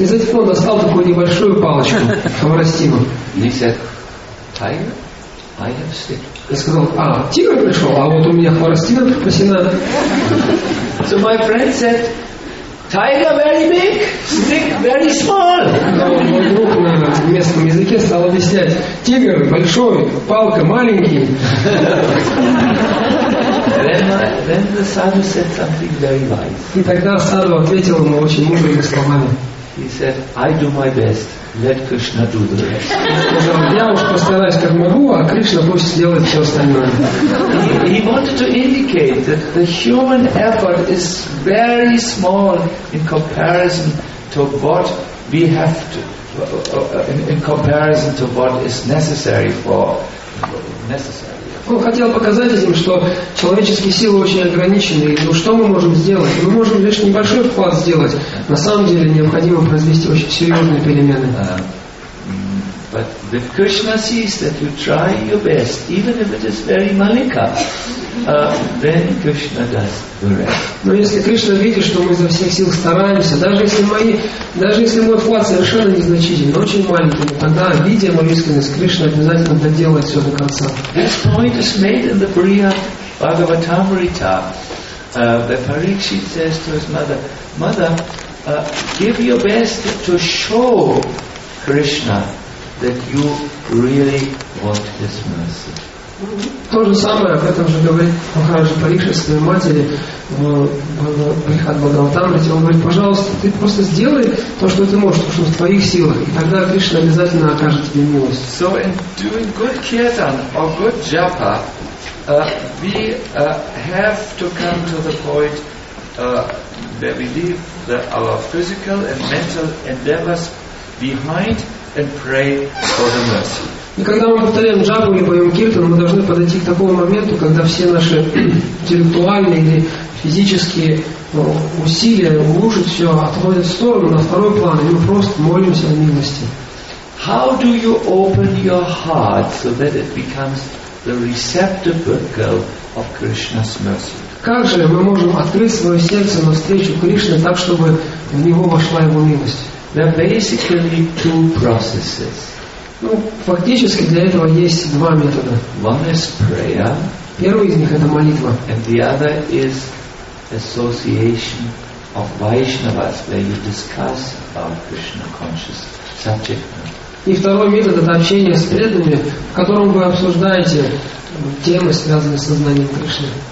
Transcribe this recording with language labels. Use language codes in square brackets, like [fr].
[ru] Из этих он достал такую небольшую палочку, хворостину. [en] Tiger, I have stick. [ru] Я сказал: а тигр пришел, а вот у меня хворостина припасена. [en] So my friend said, tiger very big, stick very small. [ru] Мой друг на местном языке стал объяснять: тигр большой, палка маленький. [en] Then the sadhu said something very wise. [ru] И тогда саду ответил ему очень мудрыми словами. [en] He said, I do my best. Let Krishna do the rest. [ru] Я уж постараюсь как могу, а Кришна пусть сделает все остальное. [en] He wanted to indicate that the human effort is very small in comparison to what we have to, in comparison to what is necessary for necessary. [ru] Он хотел показать этим, что человеческие силы очень ограничены. И, ну что мы можем сделать? Мы можем лишь небольшой вклад сделать. На самом деле необходимо произвести очень серьезные перемены. [en] But if Krishna sees that you try your best, even if it is very malika, then Krishna does the rest. [ru] Но если Кришна видит, что мы изо всех сил стараемся, даже если мой вклад совершенно незначительный, очень маленький, тогда, видя мою искренность, Кришна обязательно доделает все до конца. [en] This point is made in the Priya Bhagavatamrita. Parikshit says to his mother, Mother, give your best to show Krishna that you really want his mercy. [ru] То же самое, об этом же говорит Махараджа Парикшит своей матери в Брихат Бхагаватамрите. Он говорит: пожалуйста, ты просто сделай то, что ты можешь, то, что в твоих силах, и тогда Кришна обязательно окажет тебе милость. [en] So in doing good kirtan or good japa, we have to come to the point where we leave our physical and mental endeavors behind and pray for the mercy. [ru] И когда мы повторяем джапу или поем киртан, мы должны подойти к такому моменту, когда все наши интеллектуальные или физические усилия улучшить все отводят в сторону, на второй план, и мы просто молимся о милости. [en] How do you open your heart so that it becomes the receptacle of Krishna's mercy? [ru] Как же мы можем открыть свое сердце навстречу Кришне так, чтобы в него вошла его милость? [en] There are basically two processes. [ru] Ну, фактически для этого есть два метода. [en] One is prayer. [ru] Первый из них это молитва. [en] And the other is association of Vaishnavas, where you discuss about Krishna conscious subject. [ru] И второй метод это общение с преданными, в котором вы обсуждаете темы, связанные с сознанием Кришны.